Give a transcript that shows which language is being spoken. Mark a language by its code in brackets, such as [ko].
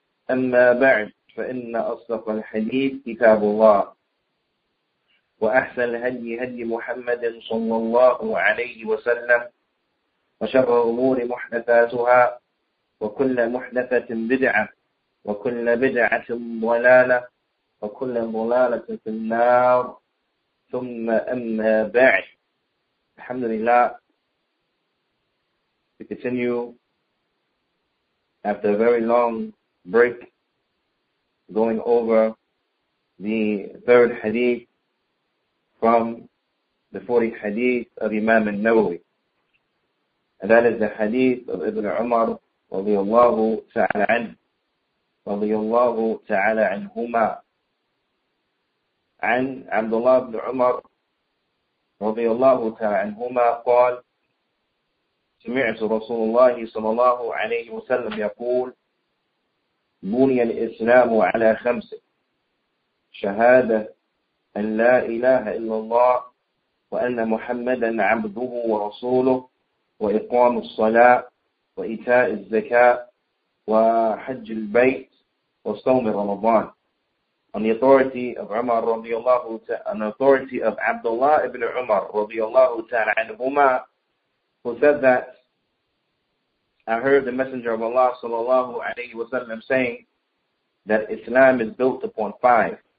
[ar] أما بعد فإن أصدق الحديث كتاب الله وأحسن الهدي هدي محمد صلى الله عليه وسلم وشر الأمور محدثاتها وكل محدثة بدعة وكل بدعة ضلالة وكل ضلالة في النار ثم أما بعد الحمد لله. [en] To continue after a very long break, going over the third hadith from the 40th hadith of Imam al-Nawawi. And that is the hadith of Ibn Umar, radiyallahu ta'ala anhu, radiyallahu ta'ala anhuma, [ar] an Abdullah ibn Umar, radiyallahu ta'ala anhuma, qal, سمعت رسول الله صلى الله عليه وسلم يقول بني الإسلام على خمسة شهادة أن لا إله إلا الله وأن محمدا عبده ورسوله وإقام الصلاة وإيتاء الزكاة وحج البيت وصوم رمضان. [en] On the authority of Umar [ar] رضي الله تعالى, [en] on the authority of Abdullah ibn Umar [ar] رضي الله تعالى عنهما, [en] who said that I heard the Messenger of Allah sallallahu alayhi wa sallam saying that Islam is built upon five.